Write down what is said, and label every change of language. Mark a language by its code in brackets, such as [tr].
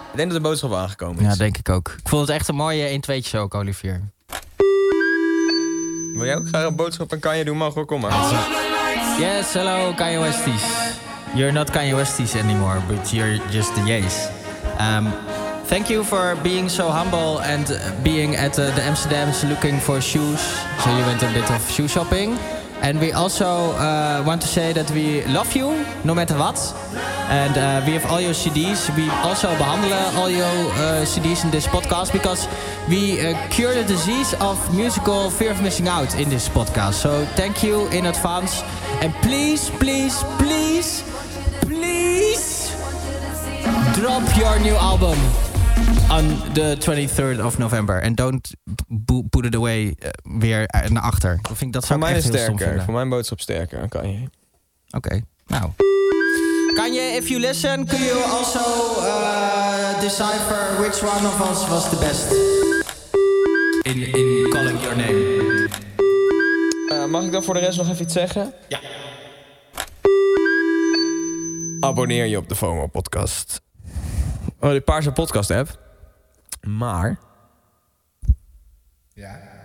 [nl] Ik denk dat de boodschap aangekomen is. Ja, denk ik ook. Ik vond het echt een mooie 1-2'tje ook, Olivier. Wil jij ook graag een boodschap aan Kanye doen? Mag wel, kom maar. [en] Yes, hello, Kanye Westies. You're not Kanye Westies anymore, but you're just the Yeez. Thank you for being so humble and being at the Amsterdam's looking for shoes. So you went a bit of shoe shopping. And we also want to say that we love you, no matter what. And we have all your CDs. We also [nl] behandle [en] all your CDs in this podcast because we cure the disease of musical fear of missing out in this podcast. So thank you in advance. And please, please, please, please drop your new album on the 23rd of November. And don't put it away [nl] weer naar achter. Ik vind dat zou voor mij echt sterker, heel stom vinden. Voor mijn boodschap sterker, kan je. Oké, nou. [en] Kanye, if you listen, could you also decipher which one of us was the best? In calling your name. [nl] Mag ik dan voor de rest nog even iets zeggen? Ja. Abonneer je op de FOMO podcast. Oh, de paarse podcast app. Maar. Ja.